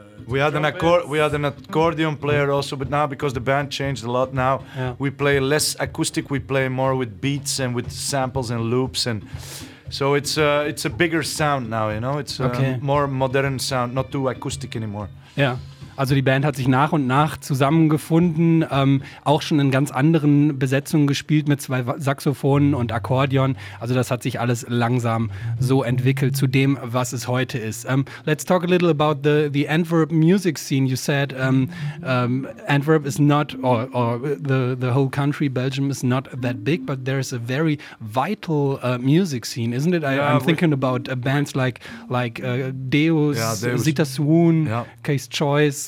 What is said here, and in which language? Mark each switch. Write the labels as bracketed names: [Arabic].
[English] We had an accordion player also, but now because the band changed a lot now, we play less acoustic, we play more with beats and with samples and loops, and so it's a bigger sound now, you know? It's a more modern sound, not too acoustic anymore. Yeah. [German] Also die Band hat sich nach und nach zusammengefunden, auch schon in ganz anderen Besetzungen gespielt mit zwei Saxophonen und Akkordeon. Also das hat sich alles langsam so entwickelt zu dem, was es heute ist. [English] Let's talk a little about the Antwerp music scene. You said Antwerp is not, or the whole country, Belgium, is not that big, but there's a very vital music scene, isn't it? I'm thinking about bands like Deus, Zita Swoon, Case Choice.